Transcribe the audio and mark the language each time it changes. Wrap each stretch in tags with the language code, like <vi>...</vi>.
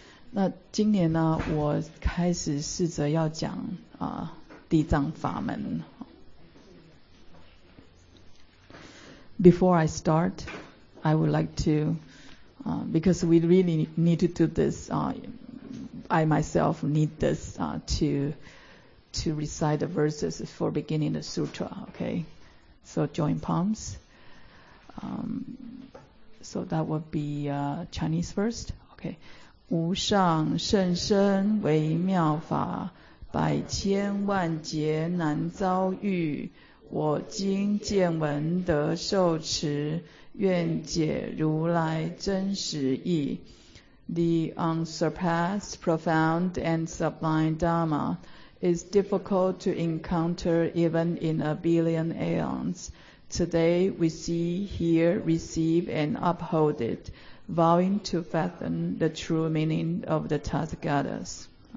<zh>那今年呢, 我开始试着要讲 地藏法门。</zh> <en>Before I start, I would like to, because we really need to do this, I myself need this to recite the verses for beginning the sutra, okay? So join palms. So that would be Chinese first, okay?</en> <zh>无上甚深微妙法, 百千万劫难遭遇, 我今见闻得受持, 愿解如来真实意。</zh> <en>The unsurpassed, profound, and sublime Dharma is difficult to encounter even in a billion aeons. Today we see, hear, receive, and uphold it, vowing to fathom the true meaning of the Tathagatas.</en>